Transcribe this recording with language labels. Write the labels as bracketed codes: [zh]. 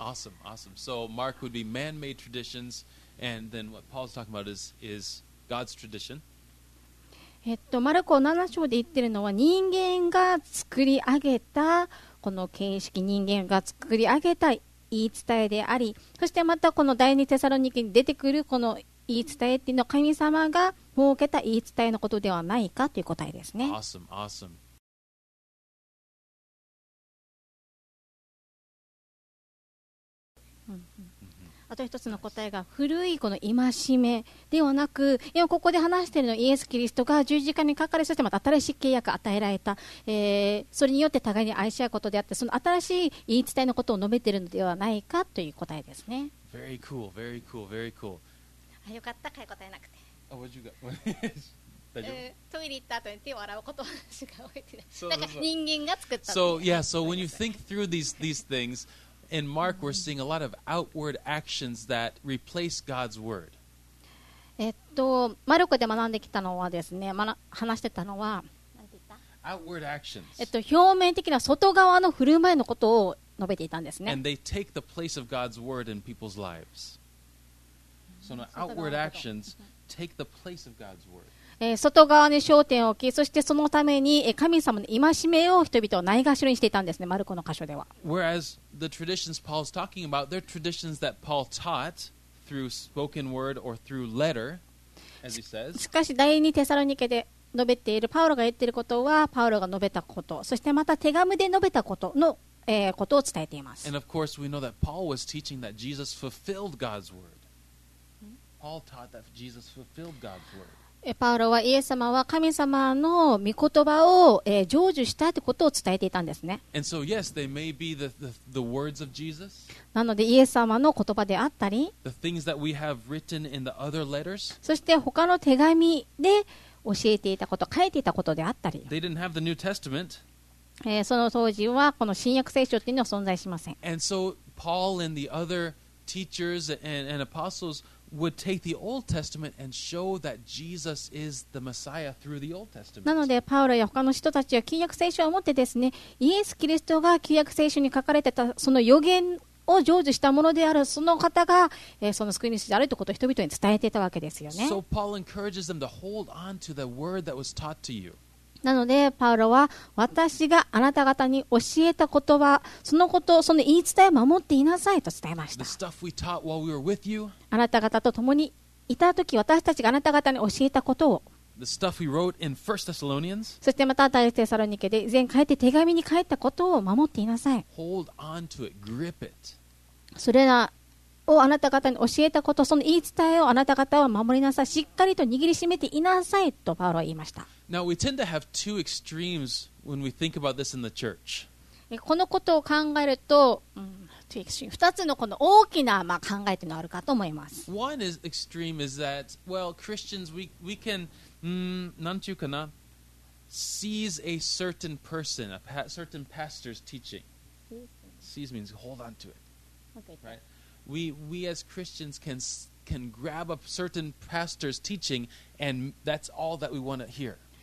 [en] from the man-made Awesome. So Mark would be man-made traditionsAnd then what Paul's talking about is God's tradition. [ja] マルコ7章で言ってるのは人間が作り上げたこの形式、人間が作り上げた言い伝えであり、そしてまたこの第二テサロニケに出てくるこの言い伝えっていうのは神様が設けた言い伝えのことではないかという答えですね。 [en] Awesome. [ja] あと一つの答えが古いこの戒めではなく、今ここで話しているのはイエス・キリストが十字架にかかれ、そしてまた新しい契約与えられた、それによって互いに愛し合うことであって、その新しい言い伝えのことを述べているのではないかという答えですね。 [en] Very cool, very cool, very cool. [ja] あ、よかった、買い答えなくて。 [en] Oh, what'd you got? [ja] 大丈夫？トイレ行った後に手を洗うことしか覚えてない。なんか人間が作ったの。 [en] So, yeah, so when you think through these thingsIn Mark, we're seeing a lot of outward actions that replace God's word. [ja] マルコで学んできたのはですね、話してたのは、 [en] outward actions. [ja] 表面的な外側の振る舞いのことを述べていたんですね。 [en] And they take the place of God's word in people's lives. その outward actions take the place of God's word. [ja] 外側に焦点を置き、そしてそのために神様の戒めを人々をないがしろにしていたんですね、マルコの箇所では。 [en] Whereas the traditions Paul's talking about, they're traditions that Paul taught through spoken word or through letter, as he says. [ja] しかし第二テサロニケで述べている、パウロが言っていることは、パウロが述べたこと、そしてまた手紙で述べたことの、ことを伝えています。 [en] And of course we know that Paul was teaching that Jesus fulfilled God's word. Paul taught that Jesus fulfilled God's word. [ja] パウロはイエス様は神様の御言葉を、成就したということを伝えていたんですね。 [en] And so, yes, they may be the words of Jesus. [ja] なのでイエス様の言葉であったり、 [en] the things that we have written in the other letters. [ja] そして他の手紙で教えていたこと、書いていたことであったり、 [en] they didn't have the New Testament. [ja] その当時はこの新約聖書というのは存在しません。 [en] And so, Paul and the other teachers and apostles. Would take the Old Testament and show that Jesus is the Messiah through the Old Testament. [ja] なのでパウロや他の人たちは旧約聖書を持ってですね、イエス・キリストが旧約聖書に書かれてたその予言を成就したものであるその方が、その救い主であるということを人々に伝えていたわけですよね。 [en] So Paul encourages them to hold on to the word that was taught to you. [ja] なのでパウロは私があなた方に教えた言葉、そのこと、その言い伝えを守っていなさいと伝えました。 [en] The stuff we taught while we were with you. [ja] あなた方と共にいたとき、私たちがあなた方に教えたことを、 [en] The stuff we wrote in First Thessalonians, [ja] そしてまた第一テサロニケで以前書いて手紙に書いたことを守っていなさい。 [en] Hold on to it, grip it. [ja] それらをあなた方に教えたこと、その言い伝えをあなた方は守りなさい、しっかりと握りしめていなさいとパウロは言いました。 [en] Now we tend to have two extremes when we think about this in the church. [ja] このことを考えると、うん2つのこの大きな、まあ、考えというのがあるかと思います。 [en] One is extreme is that, well, Christians, we can, [ja] なんていうかな [en] seize a certain person, a certain pastor's teaching. Seize means hold on to it. Okay. Right? We as Christians can grab a certain pastor's teaching and that's all that we want to hear.